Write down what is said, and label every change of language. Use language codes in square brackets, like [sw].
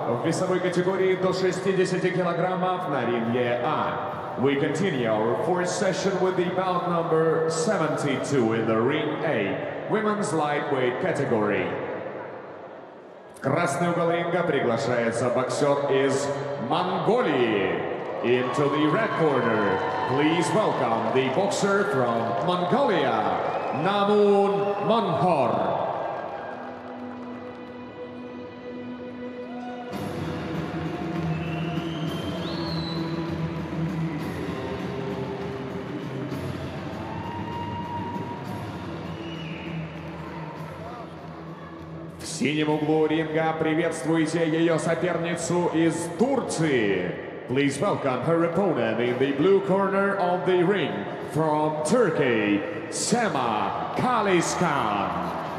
[ru] В весовой категории до 60 килограммов на ринге А. [en] We continue our fourth session with the bout number 72 in the ring A, women's lightweight category. [ru] В красный угол ринга приглашается боксер из Монголии. [en] Into the red corner, please welcome the boxer from Mongolia, Namun Monhor. [ru] В синем углу ринга приветствуйте ее соперницу из Турции. [en] Please welcome her opponent in the blue corner of the ring from Turkey, Sema Kalistan.